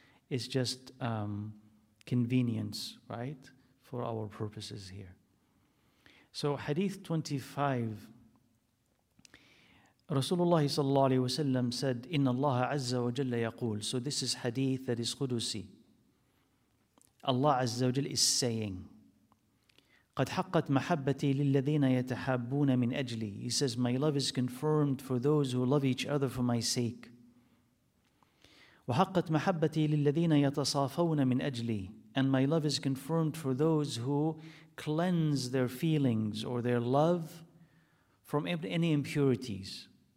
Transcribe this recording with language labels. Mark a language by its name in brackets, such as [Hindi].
[English] It's just convenience, right, for our purposes here. So Hadith 25, Rasulullah sallallahu alayhi wa sallam said, Inna Allah azza wa jalla yaqul. So this is hadith that is Qudusi. Allah azza wa jalla is saying, [Arabic] قَدْ حَقَّتْ مَحَبَّتِي لِلَّذِينَ يَتَحَابُّونَ مِنْ أَجْلِي. [English] He says, my love is confirmed for those who love each other for my sake. [Arabic] وَحَقَّتْ مَحَبَّتِي لِلَّذِينَ يَتَصَافَوْنَ مِنْ أَجْلِي. [English] And my love is confirmed for those who cleanse their feelings or their love from any impurities.